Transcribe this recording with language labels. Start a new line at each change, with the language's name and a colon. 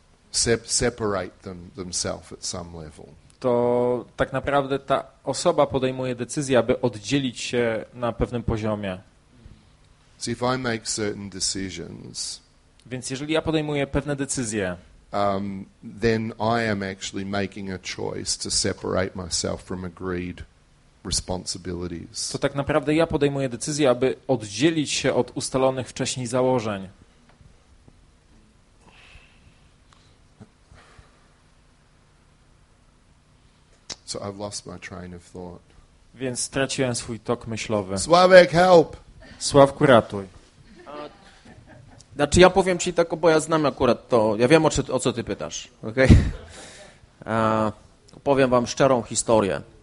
English: separate them, themselves at some level.
Polish: To tak naprawdę ta osoba podejmuje decyzję, aby oddzielić się na pewnym poziomie.
English: So if I make certain decisions,
Polish: więc jeżeli ja podejmuję pewne decyzje,
English: then I am actually making a choice to separate myself from agreed responsibilities.
Polish: To tak naprawdę ja podejmuję decyzję, aby oddzielić się od ustalonych wcześniej założeń.
English: So I've lost my train of thought.
Polish: Więc straciłem swój tok myślowy.
English: Sławek, help!
Polish: Sławku, ratuj. Znaczy, ja powiem ci tak, bo ja znam akurat to. Ja wiem, o co ty pytasz. Okay? Powiem wam szczerą historię.